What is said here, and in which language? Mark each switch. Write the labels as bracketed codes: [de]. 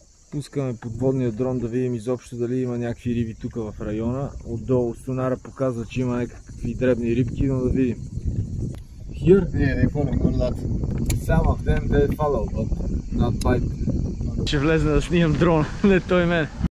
[bg] Пускаме подводния дрон да видим изобщо дали има някакви риби тук в района. Отдолу сонара показва, че има някакви дребни рибки, но да видим. [en] Here? Yeah, they follow more lots. Some of them they follow, but not bite. [bg] Ще влезе да снимам дрон, не той мен.